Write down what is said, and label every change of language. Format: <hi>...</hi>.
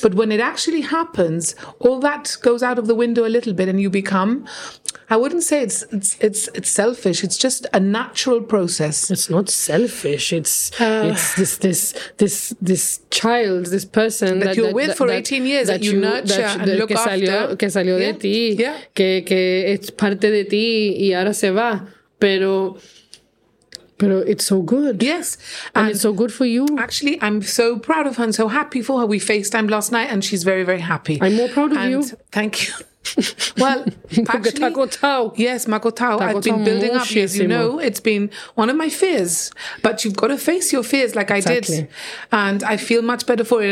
<en>But when it actually happens, all that goes out of the window a little bit and you become, I wouldn't say it's selfish. It's just a natural process. It's not selfish. It's this child, this person that you're with for 18 years that you nurture and look after.</en> <es>Que salió de ti.</es> <en>Yeah.</en> <es>Que es parte de ti y ahora se va. Pero</es> <en>it's so good. Yes. And it's so good for you. Actually, I'm so proud of her and so happy for her. We FaceTimed last night and she's very, very happy. I'm more proud of you. Thank you. Well, actually, yes, Makotao, I've been building up, as you know, it's been one of my fears, but you've got to face your fears like I did, and I feel much better for it.</en>